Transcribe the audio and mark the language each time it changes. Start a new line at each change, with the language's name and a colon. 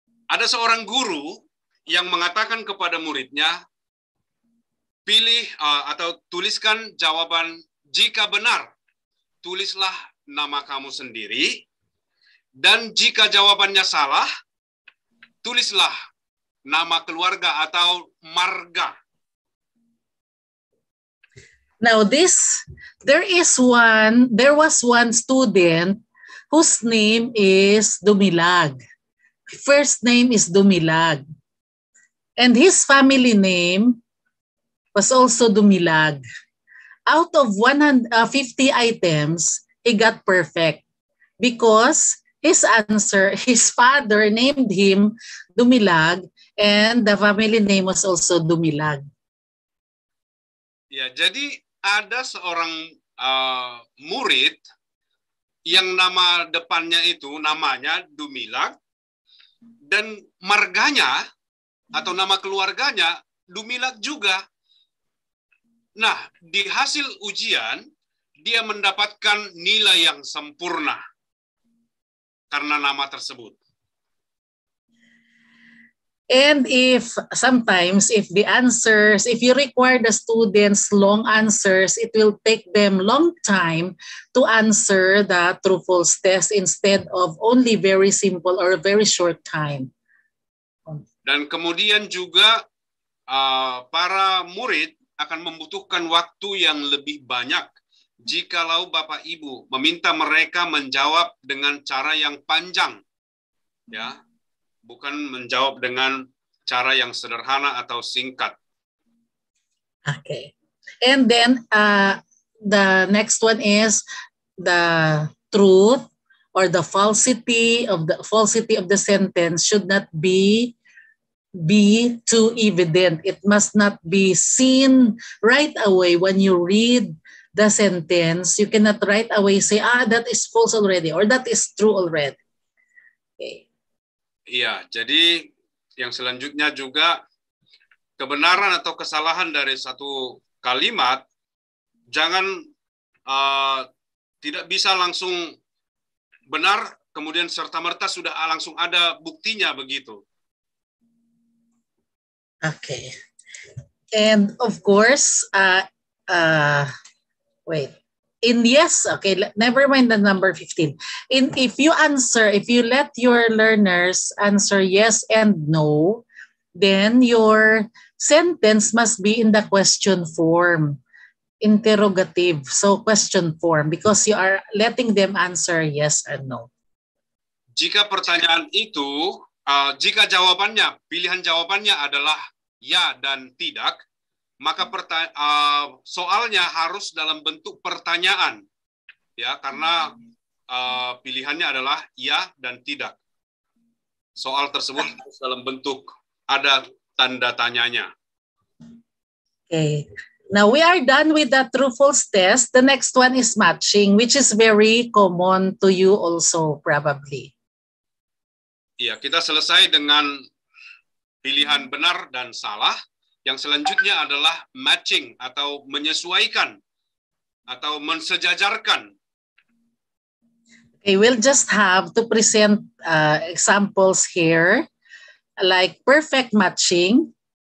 Indonesian: Ada seorang guru yang mengatakan kepada muridnya, pilih atau tuliskan jawaban, jika benar, tulislah nama kamu sendiri, dan jika jawabannya salah, tulislah nama keluarga atau marga.
English: Now this, there was one student whose name is Dumilag. First name is Dumilag. And his family name was also Dumilag. Out of 150 items, he got perfect because his answer, his father named him Dumilag and the family name was also Dumilag.
Indonesian: Yeah, jadi ada seorang murid yang nama depannya itu namanya Dumilag dan marganya atau nama keluarganya Dumilag juga. Nah, di hasil ujian, dia mendapatkan nilai yang sempurna karena nama tersebut.
English: And if you require the students long answers, it will take them long time to answer the true false test instead of only very simple or very short time.
Indonesian: Dan kemudian juga para murid akan membutuhkan waktu yang lebih banyak jikalau Bapak Ibu meminta mereka menjawab dengan cara yang panjang, ya, bukan menjawab dengan cara yang sederhana atau singkat.
English: Okay. And then the next one is the truth or the falsity of the sentence should not be too evident. It must not be seen right away when you read the sentence. You cannot right away say, that is false already, or that is true already. Okay.
Indonesian: Yeah, jadi yang selanjutnya juga, kebenaran atau kesalahan dari satu kalimat, jangan tidak bisa langsung benar, kemudian serta-merta sudah langsung ada buktinya begitu.
English: Okay. And of course, never mind the number 15. If you let your learners answer yes and no, then your sentence must be in the question form, interrogative, so question form, because you are letting them answer yes and no.
Indonesian: Jika pertanyaan itu, jika jawabannya, pilihan jawabannya adalah ya dan tidak, maka soalnya harus dalam bentuk pertanyaan, ya, karena pilihannya adalah ya dan tidak. Soal tersebut harus dalam bentuk ada tanda tanyanya.
English: Okay. Now we are done with the true false test. The next one is matching, which is very common to you also probably.
Indonesian: Ya, kita selesai dengan pilihan benar dan salah. Yang selanjutnya adalah matching atau menyesuaikan atau mensejajarkan.
English: Okay, we'll just have to present examples here, like perfect matching.